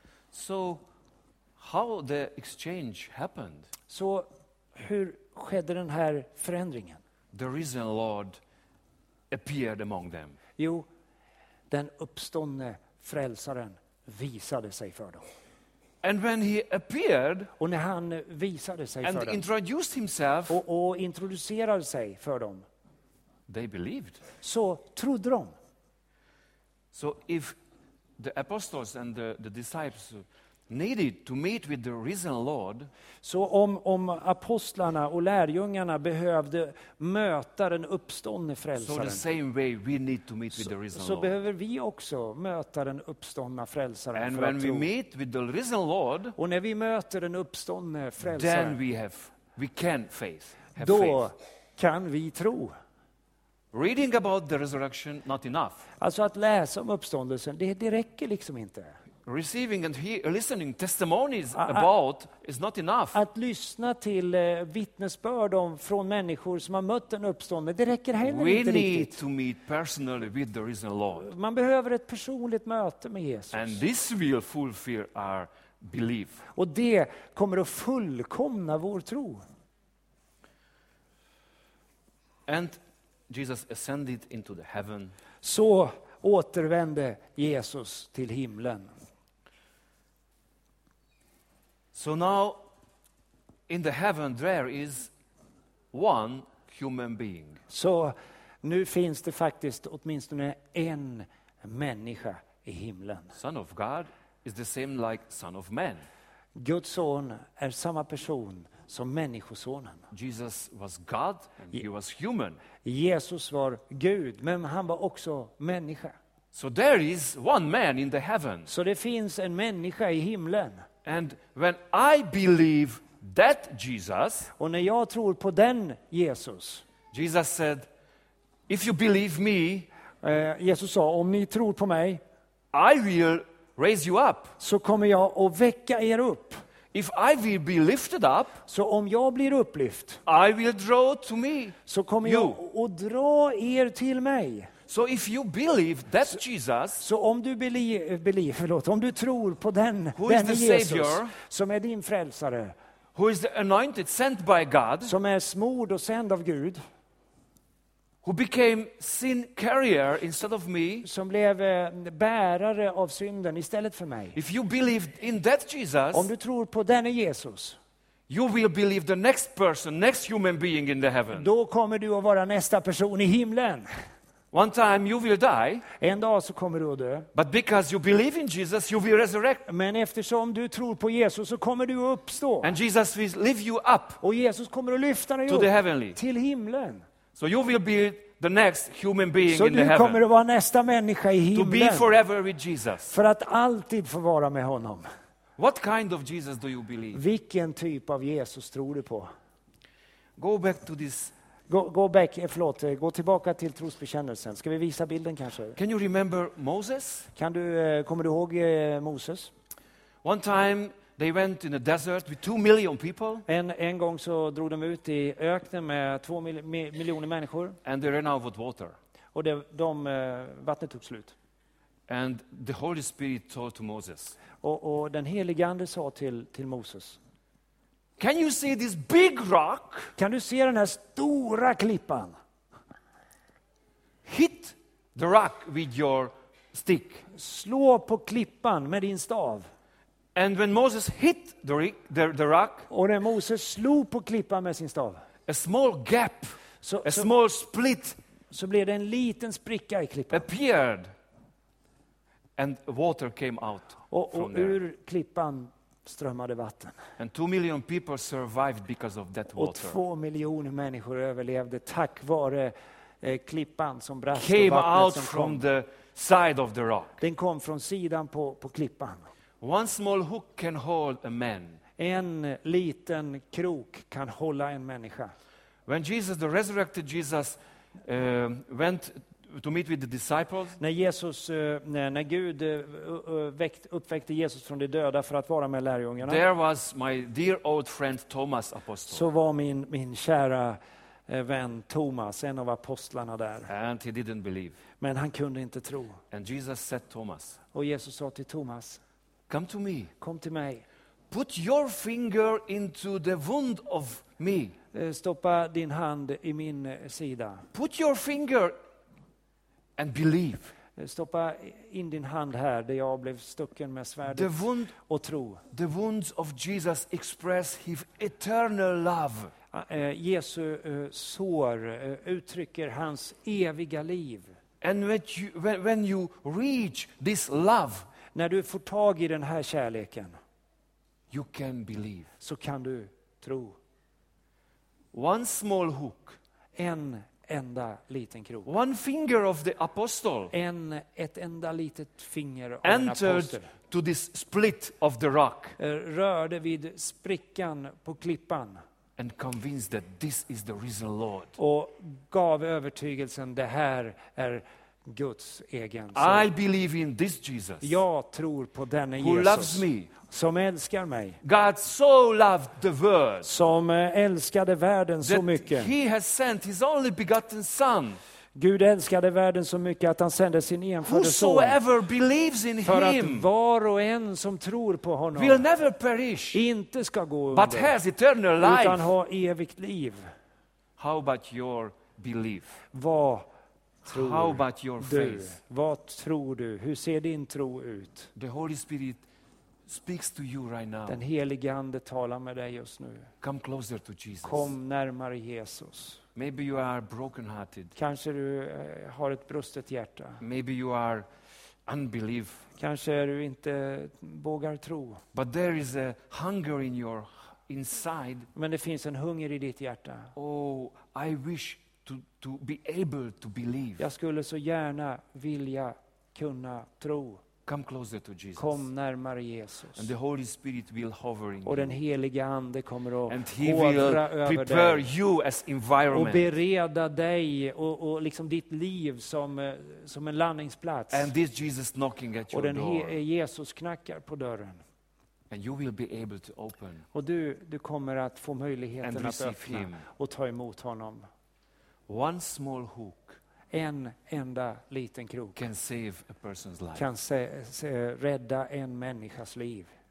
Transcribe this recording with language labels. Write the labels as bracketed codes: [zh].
[en] So how the exchange happened? [sv] Så hur skedde den här förändringen? [en] The risen Lord appeared among them. [sv] Jo, den uppståndne frälsaren visade sig för dem. [en] And when he appeared, [sv] och när han visade sig [en] and [sv] för dem, [en] introduced himself, [sv] och introducerade sig för dem, [en] they believed. [sv] Så trodde de. [en] So if the apostles and the disciples needed to meet with the risen Lord, [sv] så om apostlarna och lärjungarna behövde möta den uppståndne frälsaren, [en] so the same way we need to meet with the risen [sv] Lord, så behöver vi också möta den uppståndna frälsaren. [en] And when we meet with the risen Lord, [sv] och när vi möter den uppståndne frälsaren, [en] then we can faith, have [sv] då [en] faith. [sv] Kan vi tro. [en] Reading about the resurrection not enough. [sv] Alltså att läsa om uppståndelsen, det räcker liksom inte. [en] Receiving and listening testimonies about is not enough. [sv] Att lyssna till vittnesbörd om från människor som har mött en uppståndelse, det räcker heller [en] we [sv] inte riktigt. [en] We need to meet personally with the risen Lord. [sv] Man behöver ett personligt möte med Jesus. [en] And this will fulfill our belief. [sv] Och det kommer att fullkomna vår tro. [en] And Jesus ascended into the heaven. [sv] Så återvände Jesus till himlen. [en] So now in the heaven there is one human being. [sv] Så nu finns det faktiskt åtminstone en människa i himlen. [en] Son of God is the same like son of man. [sv] Guds son är samma person som människosonen. [en] Jesus was God and he was human. [sv] Jesus var Gud men han var också människa. [en] So there is one man in the heaven. [sv] Så det finns en människa i himlen. [en] And when I believe that Jesus, [sv] och när jag tror på den Jesus, [en] Jesus said, if you believe me, [sv] Jesus sa, om ni tror på mig, [en] I will raise you up, [sv] så kommer jag att väcka er upp. [en] If I will be lyfted up, [sv] så om jag blir upplyft, [en] I will draw to me, [sv] så kommer jag att dra er till mig. [en] So if you believe that Jesus, [sv] så om du om du tror på den [en] Savior, [sv] som är din frälsare, [en] who is the anointed sent by God, [sv] som är smord och sänd av Gud, [en] who became sin carrier instead of me, [sv] som blev bärare av synden istället för mig. [en] If you believe in that Jesus, [sv] om du tror på denne Jesus, [en] you will believe the next person, next human being in the heaven. [sv] Då kommer du att vara nästa person i himlen. [en] One time you will die. [sv] En dag så kommer du att dö. [en] But because you believe in Jesus, you will resurrect. [sv] Men eftersom du tror på Jesus så kommer du att uppstå. [en] And Jesus will lift you up. [sv] Och Jesus kommer att lyfta dig [en] to [sv] upp [en] the heavenly. [sv] Till himlen. [en] So you will be the next human being [sv] så [en] in the heaven. [sv] Så du kommer att vara nästa människa i himlen. [en] To be forever with Jesus. [sv] För att alltid få vara med honom. [en] What kind of Jesus do you believe? [sv] Vilken typ av Jesus tror du på? [en] Go back to this. [sv] Gå tillbaka till trosbekännelsen. Ska vi visa bilden kanske? [en] Can you remember Moses? [sv] Kommer du ihåg Moses? [en] One time they went in a desert with 2 million people. [sv] En gång så drog de ut i öknen med 2 miljoner människor. [en] And they ran out of water. [sv] Och vattnet tog slut. [en] And the Holy Spirit told to Moses. [sv] Och den helige ande sa till Moses. [en] Can you see this big rock? [sv] Kan du se den här stora klippan? [en] Hit the rock with your stick. [sv] Slå på klippan med din stav. [en] And when Moses hit the rock, [sv] och när Moses slog på klippan med sin stav, [en] a small gap, a small split, [sv] så blev det en liten spricka i klippan. [en] Appeared and water came out. [sv] Och [en] from [sv] ur [en] there. [sv] Klippan strömmade vatten. [en] And 2 million people survived because of that water. [sv] Och 2 miljoner människor överlevde tack vare klippan som brast. [en] Came out from the side of the rock. [sv] Den kom från sidan på klippan. [en] One small hook can hold a man. [sv] En liten krok kan hålla en människa. [en] When Jesus, the resurrected Jesus, went to meet with the disciples. [sv] När Gud uppväckte Jesus från de döda för att vara med lärjungarna. [en] There was my dear old friend Thomas apostle. [sv] Så var min kära vän Thomas, en av apostlarna där. [en] And he didn't believe. [sv] Men han kunde inte tro. [en] And Jesus said Thomas. [sv] Och Jesus sa till Thomas. [en] Come to me. [sv] Kom till mig. [en] Put your finger into the wound of me. [sv] Stoppa din hand i min sida. [en] Put your finger and believe. [sv] Stoppa in din hand här där jag blev stucken med svärdet. [en] The wound, [sv] och tro. [en] The wounds of Jesus express his eternal love. [sv] Jesu sår uttrycker hans eviga liv. [en] And when you reach this love, [sv] när du får tag i den här kärleken, [en] you can believe. [sv] Så kan du tro. [en] One small hook. [sv] En enda liten krok. [en] One finger of the apostle. [sv] Ett enda litet finger av [en] entered [sv] en apostel. [en] To this split of the rock. [sv] Rörde vid sprickan på klippan. [en] And convinced that this is the risen Lord. [sv] Och gav övertygelsen det här är Guds egen son. [en] I believe in this Jesus. [sv] Jag tror på denne Jesus. [en] Who loves me. [sv] Som älskar mig. [en] God so loved the world. [sv] Som älskade världen så mycket. [en] He has sent his only begotten son. [sv] Gud älskade världen så mycket att han sände sin enfödde son. [en] Whosoever believes in him. [sv] För att var och en som tror på honom. [en] Will never perish. [sv] Inte ska gå under. [en] But has eternal life. [sv] Utan ha evigt liv. [en] How about your belief? [sv] Vad tror du? [en] How about your faith? [sv] Vad tror du? Hur ser din tro ut? [en] The Holy Spirit speaks to you right now. [sv] Den helige ande talar med dig just nu. [en] Come closer to Jesus. [sv] Kom närmare Jesus. [en] Maybe you are broken hearted. [sv] Kanske du har ett brustet hjärta. [en] Maybe you are unbelief. [sv] Kanske du inte vågar tro. [en] But there is a hunger in your inside. [sv] Men det finns en hunger i ditt hjärta. [en] Oh, I wish to be able to believe. [sv] Jag skulle så gärna vilja kunna tro. [en] Come closer to Jesus. [sv] Kom närmare Jesus. [en] And the Holy Spirit will hover in. [sv] Och den helige ande kommer att hovra över dig. [en] And he will prepare you as environment. [sv] Och bereda dig och liksom ditt liv som en landningsplats. [en] And this Jesus knocking at your door. [sv] Och den Jesus knackar på dörren. [en] And you will be able to open. [sv] Och du kommer att få möjligheten att öppna [en] him. [sv] Och ta emot honom. [en] One small hook. [sv] En enda liten krok [en] can save a person's life. [sv] Kan rädda en människas liv.